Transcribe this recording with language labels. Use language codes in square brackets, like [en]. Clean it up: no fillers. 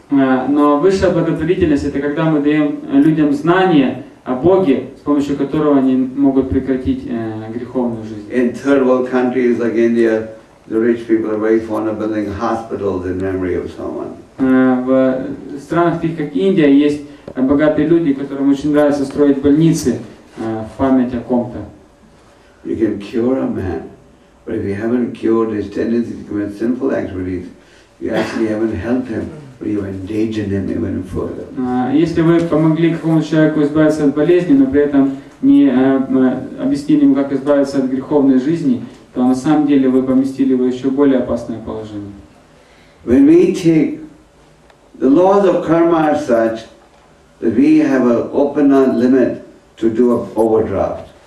[ru] Но высшая благотворительность это когда мы даем людям знания о Боге, с помощью которого они могут прекратить греховную жизнь. [en] In third world countries like India, the rich people are very fond of building hospitals in memory of someone. [ru] В странах таких как Индия есть богатые люди, которым очень нравится строить больницы в память о ком-то. [en] You can cure a man, but if you haven't cured his tendency to commit sinful activities, you actually haven't helped him. [ru] Если вы помогли какому-то человеку избавиться от болезни, но при этом не объяснили ему, как избавиться от греховной жизни, то на самом деле вы поместили его в еще более опасное положение. [en] When we take the laws of karma are such that we have an open limit to do an overdraft.